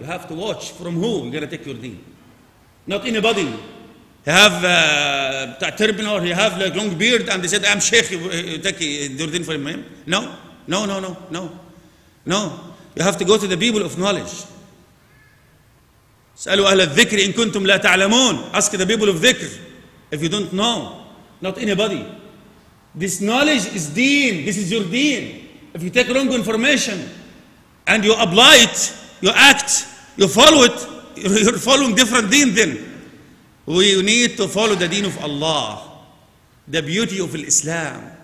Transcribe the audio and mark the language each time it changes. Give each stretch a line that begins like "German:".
English: You have to watch from who you're going to take your deen. Not anybody. He have a turbaner, he have like long beard, and they said, I'm sheikh, take your deen from him. No. You have to go to the people of knowledge.
Arabic: سألوا أهل الذكر إن كنتم لا تعلمون.
English: Ask the people of ذكر if you don't know. Not anybody. This knowledge is deen. This is your deen. If you take wrong information, and you apply it, you act, you follow it, you're following different deen then. We need to follow the deen of Allah. The beauty of Islam.